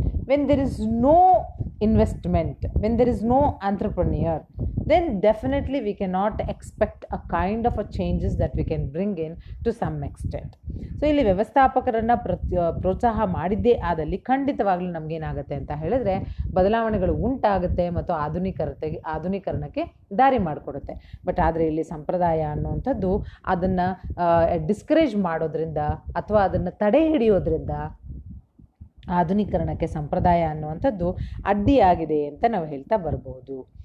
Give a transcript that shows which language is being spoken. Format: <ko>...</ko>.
<en>When there is no investment, when there is no entrepreneur, then definitely we cannot expect a kind of a changes that we can bring in to some extent.</en> <kn>So ಇಲ್ಲಿ ವ್ಯವಸ್ಥಾಪಕರನ್ನು ಪ್ರೋತ್ಸಾಹ ಮಾಡಿದ್ದೇ ಆದಲ್ಲಿ ಖಂಡಿತವಾಗಲೂ ನಮಗೇನಾಗುತ್ತೆ ಅಂತ ಹೇಳಿದ್ರೆ ಬದಲಾವಣೆಗಳು ಉಂಟಾಗುತ್ತೆ ಮತ್ತು ಆಧುನೀಕರಣಕ್ಕೆ ದಾರಿ ಮಾಡಿಕೊಡುತ್ತೆ. ಬಟ್ ಆದರೆ ಇಲ್ಲಿ ಸಂಪ್ರದಾಯ ಅನ್ನುವಂಥದ್ದು ಅದನ್ನು ಡಿಸ್ಕರೇಜ್ ಮಾಡೋದ್ರಿಂದ ಅಥವಾ ಅದನ್ನು ತಡೆ ಹಿಡಿಯೋದ್ರಿಂದ ಆಧುನೀಕರಣಕ್ಕೆ ಸಂಪ್ರದಾಯ ಅನ್ನುವಂಥದ್ದು ಅಡ್ಡಿಯಾಗಿದೆ ಅಂತ ನಾವು ಹೇಳ್ತಾ ಬರ್ಬೋದು.</kn>